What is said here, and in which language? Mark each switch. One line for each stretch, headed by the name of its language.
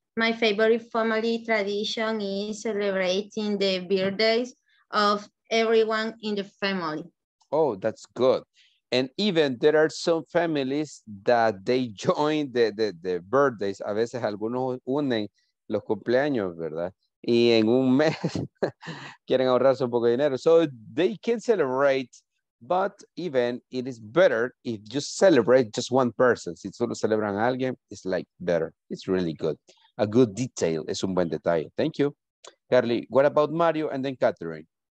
English: My favorite family tradition is celebrating the birthdays of everyone in the family. Oh, that's good. And even there are some families that they join the birthdays.
Spanish: A veces algunos unen los cumpleaños, ¿verdad? Y en un mes quieren ahorrarse un poco de dinero.
English: So they can celebrate, but even it is better if you celebrate just one person.
Spanish: Si solo celebran a alguien,
English: it's like better. It's really good. A good detail.
Spanish: Es un buen detalle.
English: Thank you. Carly, what about Mario and then Catherine?